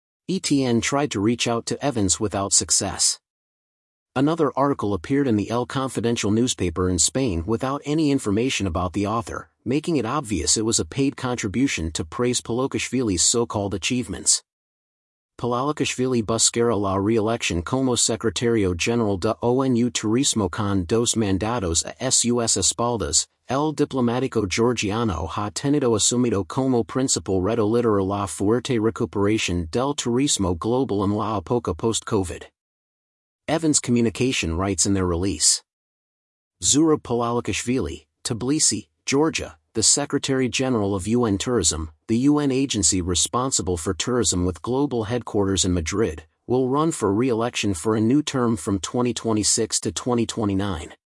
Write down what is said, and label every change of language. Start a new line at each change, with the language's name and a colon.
English: ETN tried to reach out to Evans without success. Another article appeared in the El Confidential newspaper in Spain without any information about the author, making it obvious it was a paid contribution to praise Palalakashvili's so-called achievements.
Spanish: Palalakashvili buscará la reelección como secretario general de ONU Turismo con dos mandatos a sus espaldas, el diplomático georgiano ha tenido asumido como principal reto liderar la fuerte recuperación del turismo global en la época post-COVID.
English: Evans Communication writes in their release. Zurab Palalakashvili, Tbilisi, Georgia, the Secretary General of UN Tourism, the UN agency responsible for tourism with global headquarters in Madrid, will run for re-election for a new term from 2026 to 2029.